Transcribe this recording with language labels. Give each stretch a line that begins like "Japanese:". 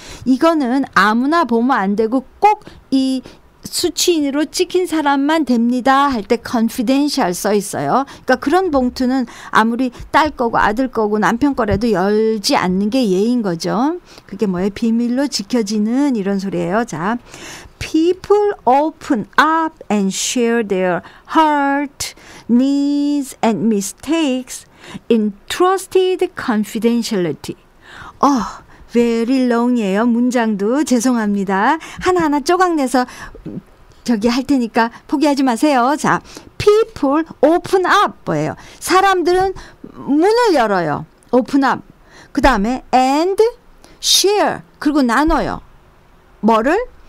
Korean: 이거는 아무나 보면 안 되고 꼭 이 수치인으로 찍힌 사람만 됩니다 할 때 confidential 써 있어요. 그러니까 그런 봉투는 아무리 딸 거고 아들 거고 남편 거라도 열지 않는 게 예인 거죠. 그게 뭐예요? 비밀로 지켜지는, 이런 소리예요.
English: 자, people open up and share their heart, needs and mistakes in trusted confidentiality. Very long
Korean: 이에요. 문장도. 죄송합니다. 하나하나 쪼각내서 저기 할 테니까 포기하지 마세요. 자,
English: people open up
Korean: 뭐예요? 사람들은 문을 열어요. open up. 그 다음에
English: and share.
Korean: 그리고 나눠요. 뭐를?